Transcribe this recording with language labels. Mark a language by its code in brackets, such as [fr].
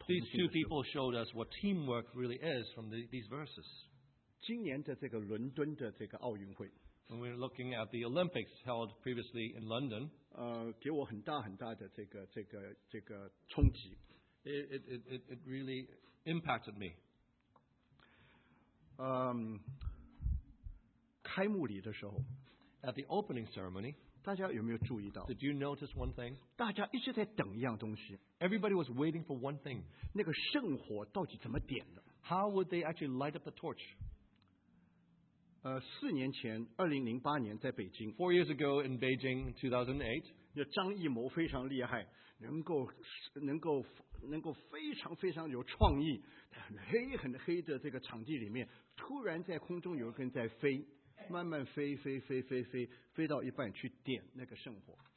[en] These two people showed us what teamwork really is from these verses. [zh] 今年的这个伦敦的这个奥运会。 [en] When we're looking at the Olympics held previously in London. [zh] 给我很大很大的这个冲击。 [en] It really impacted me. [zh] 开幕礼的时候。 [en] At the opening ceremony. [zh] 大家有没有注意到 [en] Did you notice one thing? [zh] 大家一直在等一样东西 [en] Everybody was waiting for one thing. [zh] 那个圣火到底怎么点的 [en] How would they actually light up the torch? [zh] 四年前2008年在北京 [en] Four years ago in Beijing 2008 [zh] 张艺谋非常厉害能够非常非常有创意很黑很黑的这个场地里面突然在空中有一个人在飞慢慢飞飞飞飞飞飞到一半去点那个圣火。